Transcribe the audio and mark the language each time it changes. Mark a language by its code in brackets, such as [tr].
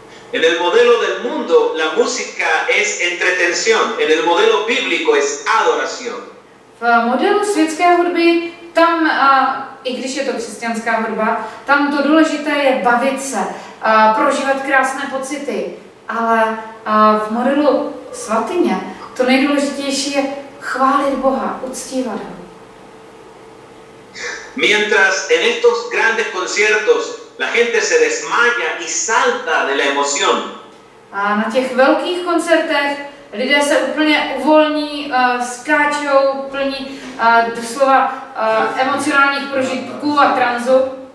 [es] En el modelo del mundo la música es entretención, en el modelo bíblico es adoración. [cs] V modelu světské hudby tam, i když je to křesťanská hudba, tam to důležité je bavit se, prožívat krásné pocity. Ale v modelu svatyně to nejdůležitější je chválit Boha, uctívat ho. [es] Mientras en estos grandes conciertos la gente se desmaya y salta de la emoción. [cs] A na těch velkých koncertech lidé se úplně uvolní, skáčou, plní doslova emocionálních prožitků a tranzu.